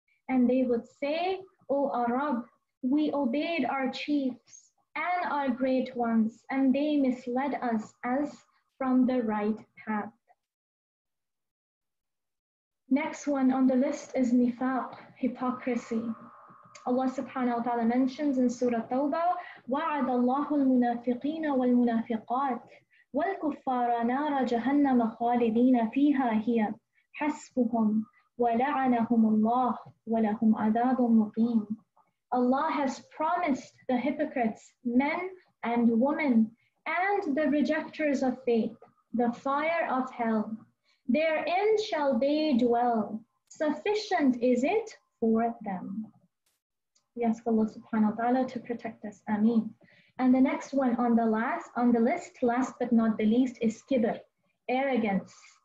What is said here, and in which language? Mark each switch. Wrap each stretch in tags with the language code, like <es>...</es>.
<en>And they would say, O Arab, we obeyed our chiefs and our great ones, and they misled us as from the right path. Next one on the list is nifaq, hypocrisy. Allah subhanahu wa ta'ala mentions in Surah Tawbah,</en> <ar>وَعَدَ اللَّهُ الْمُنَافِقِينَ وَالْمُنَافِقَاتِ وَالْكُفَّارَ نَارَ جَهَنَّمَ خَالِدِينَ فِيهَا هِيَ حَسْبُهُمْ وَلَعَنَهُمُ اللَّهُ وَلَهُمْ عَذَابٌ مُقِيمٌ.</ar> <en>Allah has promised the hypocrites, men and women, and the rejecters of faith, the fire of hell. Therein shall they dwell. Sufficient is it for them. We ask Allah subhanahu wa ta'ala to protect us. Ameen. And the next one on the list, last but not the least, is kibr, arrogance.</en>